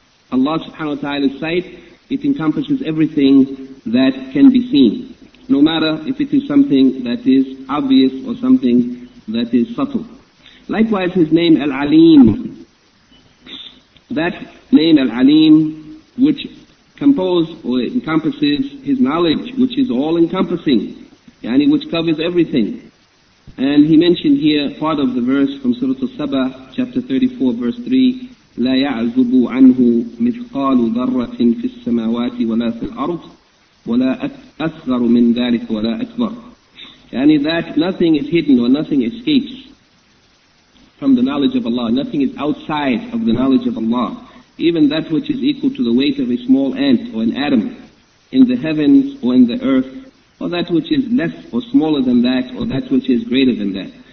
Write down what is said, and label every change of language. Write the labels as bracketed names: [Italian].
[English] Allah subhanahu wa ta'ala's sight, it encompasses everything that can be seen, no matter if it is something that is obvious or something that is subtle. Likewise, His name Al-Aleem, that name Al-Aleem, which compose or encompasses His knowledge, which is all-encompassing, yani which covers everything. And he mentioned here part of the verse from Surah Al-Saba, chapter 34, verse 3, [Arabic] لَا يَعْزُبُ عَنْهُ مِثْقَالُ ذَرَّةٍ فِي السَّمَاوَاتِ وَلَا فِي الْأَرْضِ وَلَا أَصْغَرُ مِنْ ذَلِكَ وَلَا أَكْبَرُ. [English] Yani that nothing is hidden or nothing escapes from the knowledge of Allah. Nothing is outside of the knowledge of Allah. Even that which is equal to the weight of a small ant or an atom, in the heavens or in the earth, or that which is less or smaller than that, or that which is greater than that.